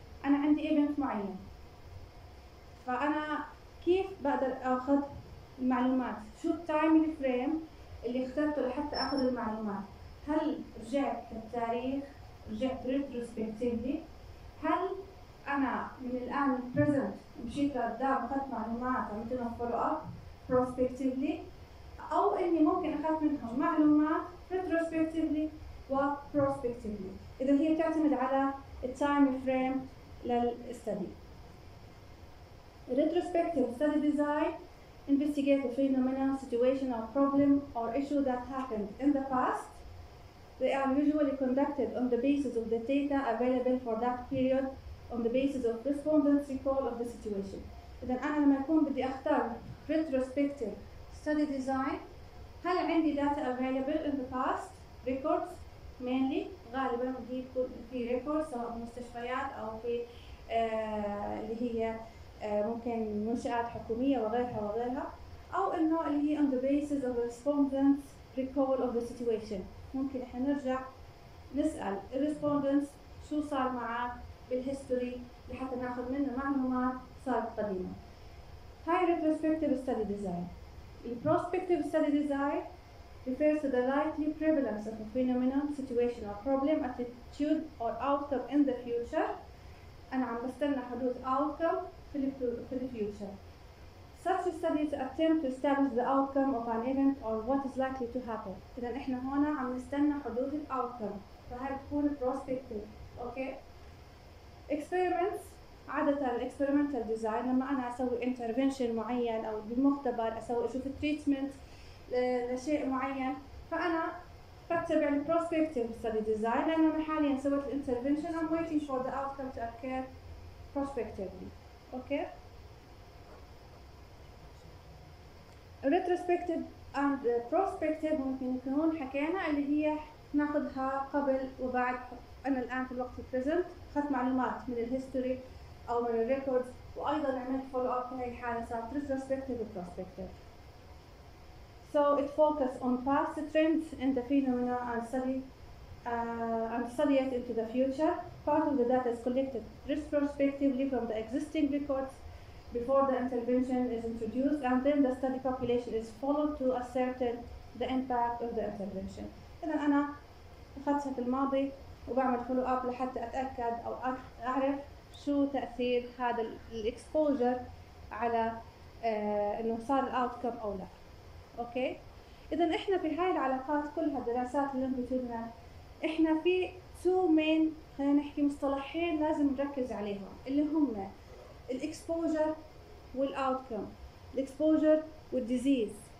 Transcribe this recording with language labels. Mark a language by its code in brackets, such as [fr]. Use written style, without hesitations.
[ar] انا عندي ايفنت معين، فانا كيف بقدر اخذ المعلومات؟ شو التايم فريم اللي اخترته لحتى اخذ المعلومات؟ هل رجعت للتاريخ، رجعت ريتروسبكتيفلي؟ هل انا من الان بريزنت مشيت لقدام اخذت معلومات عملت لهم فولو اب بروسبكتيفلي، او اني ممكن اخذت منهم معلومات ريتروسبكتيفلي وبروسبكتيفلي؟ اذا هي تعتمد على التايم فريم للاستدي. [en] Retrospective study design investigate the phenomena, situation or problem or issue that happened in the past. They are usually conducted on the basis of the data available for that period, on the basis of respondents' recall of the situation. [ar] إذا أنا لما أكون بدي أختار retrospective study design، هل عندي [en] data available in the past؟ Records mainly، [ar] غالبا دي في records أو مستشفيات أو في اللي هي ممكن منشآت حكومية وغيرها وغيرها، أو إنه اللي هي [en] on the basis of respondents recall of the situation. [ar] ممكن إحنا نرجع نسأل respondents شو صار معه بالhistory لحتى نأخذ منه معلومات صارت قديمة. هاي retrospective study design. [en] The prospective study design refers to the likely prevalence of a phenomenon, situation or problem, attitude or outcome in the future. [ar] أنا عم بستنى حدوث outcome في the future. [en] Such studies attempt to establish the outcome of an event or what is likely to happen. [ar] إذا إحنا هنا عم نستنى حدوث الـ outcome، فهي تكون prospective. Okay. Experiments، عادة experimental design لما أنا أسوي intervention معين أو بمختبر أسوي أشوف treatment لشيء معين، فأنا بتبع الـ prospective study design لأن أنا حاليا سويت intervention، [en] I'm waiting for the outcome to occur prospectively. Okay. [ar] Retrospective and prospective ممكن يكون حكينا اللي هي ناخذها قبل وبعد. انا الان في الوقت البريزنت اخذت معلومات من الهيستوري او من الريكوردز، وايضا عملت فولو اب في حاله صارت retrospective and prospective. [en] So it focus on past trends and the phenomena and study and study it into the future. Part of the data is collected retrospectively from the existing records before the intervention is introduced, and then the study population is followed to ascertain the impact of the intervention. [ar] إذا أنا أخذتها في الماضي وبعمل follow up لحتى أتأكد أو أعرف شو تأثير هذا ال exposure على إنه صار ال outcome أو لا. أوكي؟ إذا إحنا في هاي العلاقات كلها دراسات اللي بتجينا، إحنا في two main خلينا نحكي مصطلحين لازم نركز عليهم اللي هم الإكسبوجر والأوتكم، الإكسبوجر والديزيز.